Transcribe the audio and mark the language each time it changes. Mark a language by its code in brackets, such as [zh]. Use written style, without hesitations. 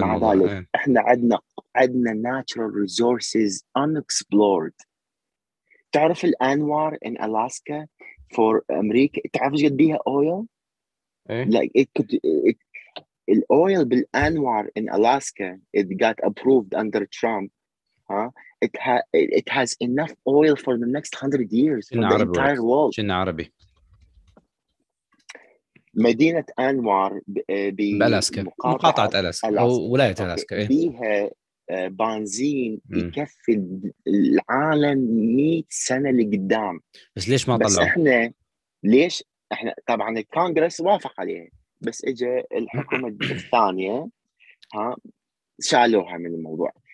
[ar] مع ذلك احنا عندنا [en] natural resources unexplored. [ar] تعرف الانوار ان الاسكا فور امريكا، تعرف ايش قد بيها اويل؟ [en] Like it could, [ar] الاويل بالانوار ان الاسكا [en] it got approved under Trump. It has enough oil for the next 100 years for the entire world. [ar] شن عربي؟ مدينة أنوار بألاسكا، مقاطعة ألاسكا أو ولاية ألاسكا، فيها بنزين يكفي العالم 100 سنة لقدام. بس ليش ما طلعوا؟ بس إحنا ليش إحنا طبعا الكونغرس وافق عليها، بس إجا الحكومة الثانية شالوها من الموضوع.